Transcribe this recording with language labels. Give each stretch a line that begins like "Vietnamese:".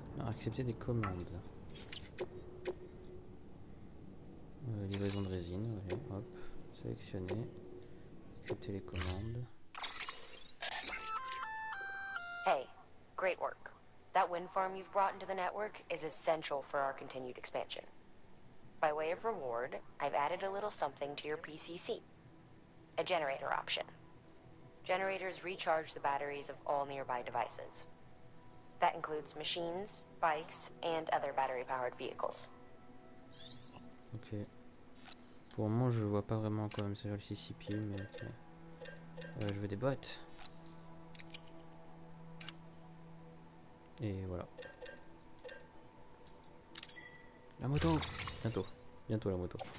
French: Accepter des commandes. Livraison de résine, ouais, hop, sélectionner, accepter les commandes.
English: Hey, great work. That wind farm you've brought into the network is essential for our continued expansion. By way of reward, I've added a little something to your PCC. A generator option. Generators recharge the batteries of all nearby devices. That includes machines, bikes, and other battery-powered vehicles. Ok.
French: Pour moi, je vois pas vraiment quand même ça sur le CCP, mais ok. Je veux des bottes. Et voilà. La moto! Bientôt. Bientôt la moto.